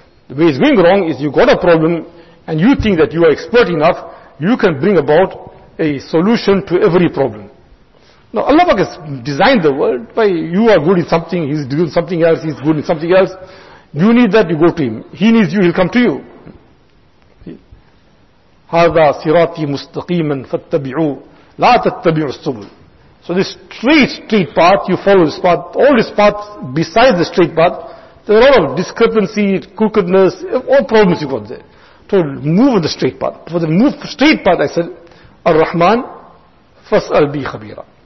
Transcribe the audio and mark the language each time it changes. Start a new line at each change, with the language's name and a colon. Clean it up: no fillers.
English: The way it's going wrong is you got a problem, and you think that you are expert enough, you can bring about a solution to every problem. Now Allah has designed the world, by you are good in something, he's doing something else, he's good in something else. You need that, you go to him. He needs you, he'll come to you.
Arabic: هذا صراطي مستقيما فاتبعوه لا تتبعوا السبل.
English: So this straight path, you follow this path. All these paths besides the straight path, there are a lot of discrepancy, crookedness, all problems you got there. So move on the straight path. For the move straight path, I said, Ar-Rahman fas'al bi khabira.